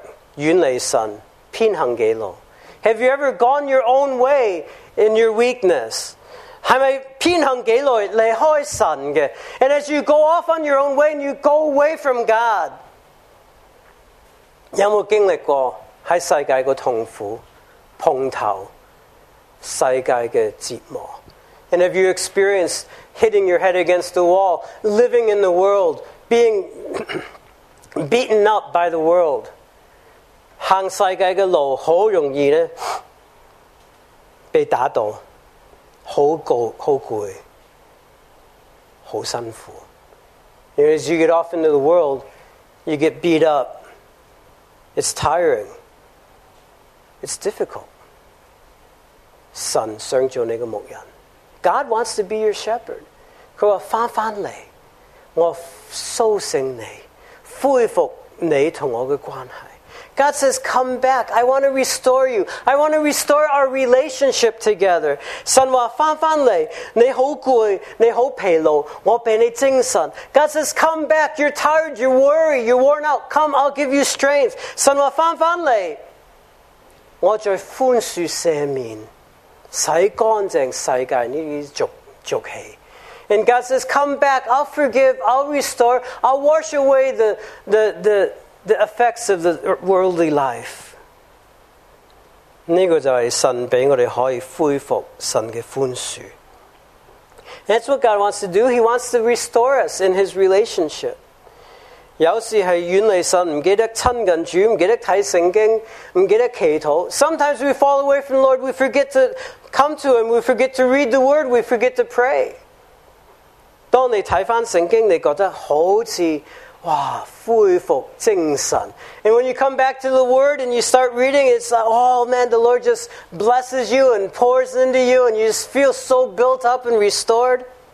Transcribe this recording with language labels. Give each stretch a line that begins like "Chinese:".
Chinese: 有没有因为软弱远离神偏行己路?
English: Have you ever gone your own way in your weakness?
Chinese: 是不是偏行己路离开神的?
English: And as you go off on your own way and you go away from God,
Chinese: 有没有经历过在世界的痛苦碰头? 世界的折磨.
English: And have you experienced hitting your head against the wall, living in the world, being beaten up by the world?
Chinese: 行世界的路很容易呢, 被打倒, 很累, 很辛苦.
English: And as you get off into the world, you get beat up. It's tiring. It's difficult.
Chinese: 神想做你的牧人.
English: God wants to be your shepherd.
Chinese: 他说,回来, 我苏醒你, 恢复你和我的关系.
English: God says, come back, I want to restore you. I want to restore our relationship together.
Chinese: 神说,回来, 你很累, 你很疲劳, 我给你精神.
English: God says, come back, you're tired, you're worried, you're worn out. Come, I'll give you strength.
Chinese: 神说,回来, 我在宽恕赦免, 洗干净世界这些俗气.
English: And God says, come back, I'll forgive, I'll restore, I'll wash away the effects of the worldly life.
Chinese: 这个就是神给我们可以恢复神的宽恕.
English: That's what God wants to do. He wants to restore us in His relationship.
Chinese: 有时是原来神,不记得亲近主,不记得看圣经,不记得祈祷.
English: Sometimes we fall away from the Lord, we forget to come to Him, we forget to read the Word, we forget to pray.
Chinese: 当你看回圣经,你觉得好像,哇,恢复精神.
English: And when you come back to the Word and you start reading, it's like, oh man, the Lord just blesses you and pours into you and you just feel so built up and restored.